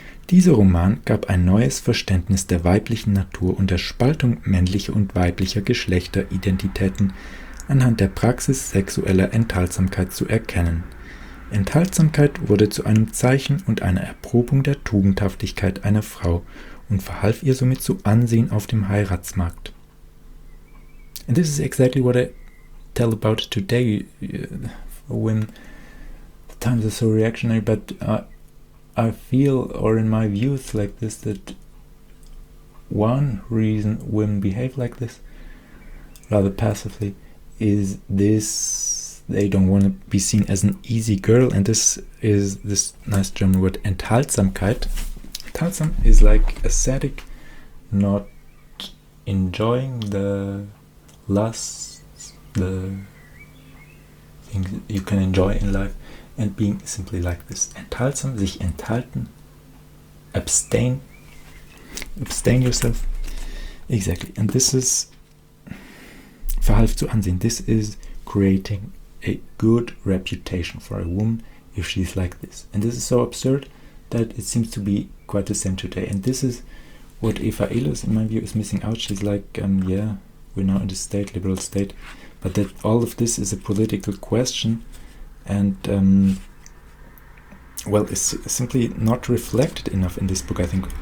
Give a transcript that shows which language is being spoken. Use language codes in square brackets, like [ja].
[de] Dieser Roman gab ein neues Verständnis der weiblichen Natur und der Spaltung männlicher und weiblicher Geschlechteridentitäten anhand der Praxis sexueller Enthaltsamkeit zu erkennen. Enthaltsamkeit wurde zu einem Zeichen und einer Erprobung der Tugendhaftigkeit einer Frau und verhalf ihr somit zu Ansehen auf dem Heiratsmarkt. [en] And this is exactly what I tell about today, when the times are so reactionary, but I feel, or in my views like this, that one reason women behave like this, rather passively, is this: they don't want to be seen as an easy girl. And this is this nice German word, Enthaltsamkeit. Enthaltsam is like ascetic, not enjoying the lusts, the things you can enjoy in life, and being simply like this. [de] Enthaltsam, sich enthalten, [en] abstain yourself. Exactly. And this is [de] verhalf zu Ansehen. [en] This is creating a good reputation for a woman if she's like this. And this is so absurd that it seems to be quite the same today. And this is what Eva Illus, in my view, is missing out. She's like, yeah, we're now in the state, liberal state, but that all of this is a political question and, well, it's simply not reflected enough in this book, I think.